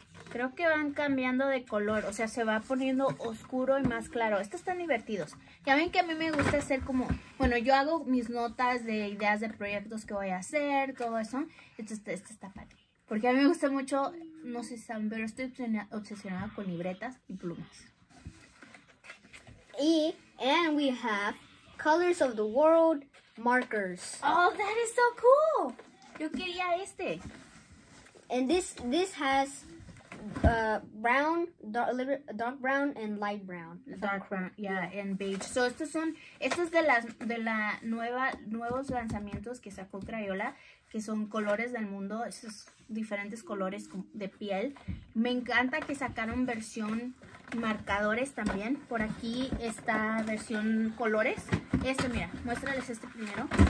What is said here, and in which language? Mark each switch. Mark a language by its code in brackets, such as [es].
[es] Creo que van cambiando de color, o sea, se va poniendo oscuro y más claro. Estos están divertidos. Ya ven que a mí me gusta hacer como, bueno, yo hago mis notas de ideas de proyectos que voy a hacer, todo eso. Este está padre. Porque a mí me gusta mucho, no sé si saben, pero estoy obsesionada con libretas y plumas. [en] And we have Colors of the World markers. Oh, that is so cool. [es] Yo quería este. [en] And this has brown, dark brown and light brown. Dark brown, yeah, and beige. [es] So estos son, estos de las de la nueva nuevos lanzamientos que sacó Crayola, que son colores del mundo, esos diferentes colores de piel. Me encanta que sacaron versión marcadores también. Por aquí está versión colores. Este, mira, muéstrales este primero.